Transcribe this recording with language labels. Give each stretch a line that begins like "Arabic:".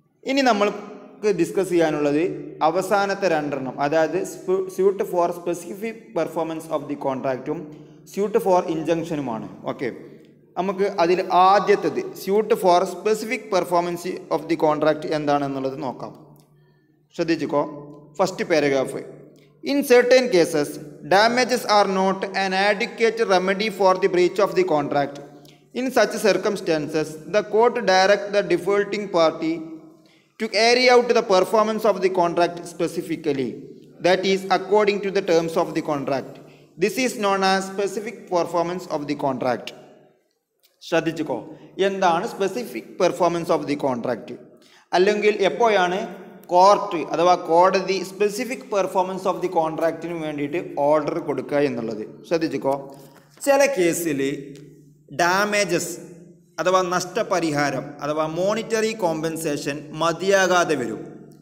Malayalam: ഇനി നമ്മൾക്ക് ഡിസ്കസ് ചെയ്യാനുള്ളത് അവസാനത്തെ രണ്ടെണ്ണം, അതായത് suit for specific performance of the കോൺട്രാക്റ്റും suit for ഇഞ്ചക്ഷനുമാണ്. Okay, നമുക്ക് അതിൽ ആദ്യത്തേത് suit for specific performance of the contract എന്താണെന്നുള്ളത് നോക്കാം.
English: ശ്രദ്ധിച്ചോ, first paragraph: In certain cases, damages are not an adequate remedy for the breach of the contract. In such circumstances, the court directs the defaulting party to carry out the performance of the contract specifically, that is, according to the terms of the contract. This is known as specific performance of the contract.
Malayalam: ശ്രദ്ധിച്ചോ, എന്താണ് specific performance of the contract, അല്ലെങ്കിൽ എപ്പോഴാണ് court അഥവാ കോടതി specific performance of the കോൺട്രാക്റ്റിന് വേണ്ടിയിട്ട് order കൊടുക്കുക എന്നുള്ളത്. ശ്രദ്ധിച്ചോ, ചില കേസിൽ ഡാമേജസ് അഥവാ നഷ്ടപരിഹാരം അഥവാ മോണിറ്ററി കോമ്പൻസേഷൻ മതിയാകാതെ വരും.